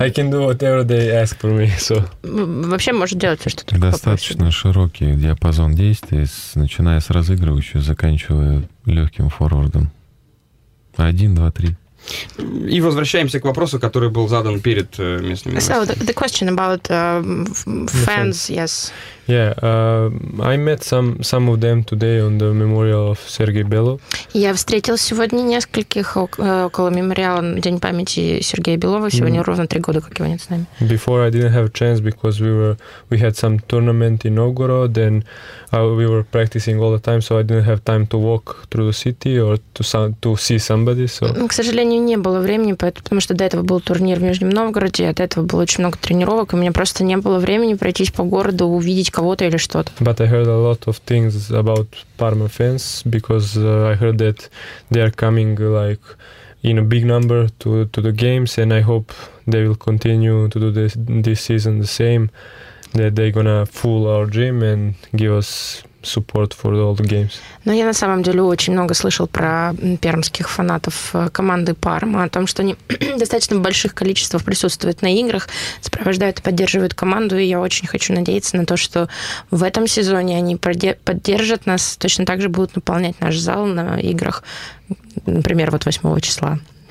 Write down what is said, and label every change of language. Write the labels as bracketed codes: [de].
[en] I can do whatever they ask for me, so... [ru] Вообще можешь делать все, что только попросят. Достаточно широкий диапазон действий, начиная с разыгрывающего, заканчивая легким форвардом. 1, 2, 3. И возвращаемся к вопросу, который был задан перед местными гостями. [en] So, the question about fans, yes. Yeah, I met some of them today on the memorial of Sergey Belov. [ru] Я встретил сегодня нескольких около мемориала День памяти Сергея Белова. Сегодня ровно 3 года, как его нет с нами. [en] Before I didn't have a chance because we had some tournament in Novgorod, then we were practicing all the time, so I didn't have time to walk through the city or to see somebody. So. [ru] К сожалению, не было времени, потому что до этого был турнир в Нижнем Новгороде, от этого было очень много тренировок, и у меня просто не было времени пройтись по городу, увидеть кого-то или что-то. [en] But I heard a lot of things about Parma fans because I heard that they are coming like in a big number to the games, and I hope they will continue to do this season the same, that they're gonna fool our gym and give us support for all the games. [ru] Но я на самом деле очень много слышал про пермских фанатов команды Парма, о том, что они достаточно в больших количествах присутствуют на играх, сопровождают и поддерживают команду, и я очень хочу надеяться на то, что в этом сезоне они поддержат нас, точно так же будут наполнять наш зал на играх, например, вот 8 числа.